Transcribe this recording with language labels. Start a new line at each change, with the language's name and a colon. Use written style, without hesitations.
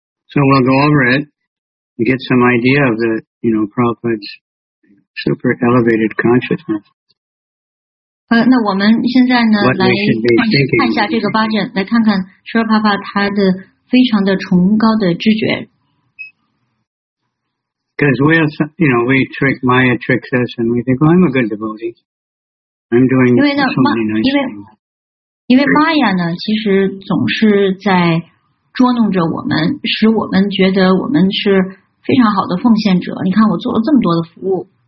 English: So we'll go over it and get some idea of the, you know, Prabhupada's super elevated consciousness.
Chinese: 那我们现在呢，来看一下这个八阵，来看看舍帕帕他的非常的崇高的知觉。
English: Because we, you know, we trick Maya tricks us, and we think, "Oh, I'm a good devotee. I'm doing so many nice things."
Chinese: 因为 Maya 呢，其实总是在捉弄着我们，使我们觉得我们是非常好的奉献者。你看，我做了这么多的服务。